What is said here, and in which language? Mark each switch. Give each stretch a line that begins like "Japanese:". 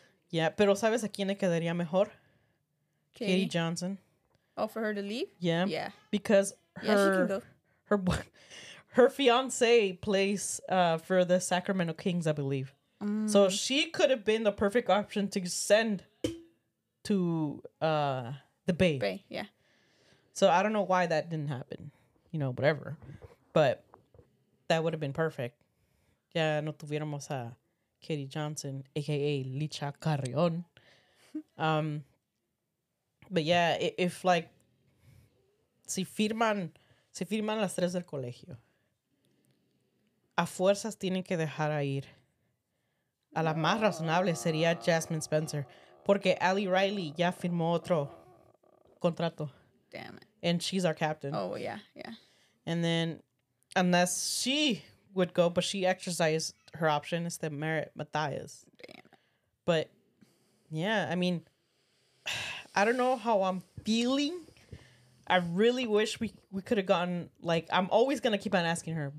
Spanish: Yeah, pero ¿sabes a quién le quedaría mejor?
English: Katie Johnson. Oh, for her to leave? Yeah. Yeah. Because her fiancé plays for the Sacramento Kings, I believe. So she could have been the perfect option to send to the Bay. Bay, yeah. So I don't know why that didn't happen. You know, whatever. But that would have been perfect.
Spanish: Ya no tuviéramos a Katie Johnson, a.k.a. Licha Carrion.
English: But yeah, if like,
Spanish: si firman las tres del colegio, a fuerzas tienen que dejar a ir. A la más razonable sería Jasmine Spencer, porque Allie Riley ya firmó otro contrato.
English: Damn it. And she's our captain. Oh, yeah, yeah. And then, unless she would go, but she exercised her option, is the Merritt Mathias. Damn. But yeah, I mean, I don't know how I'm feeling. I really wish we could have gotten, like, I'm always gonna keep on asking her.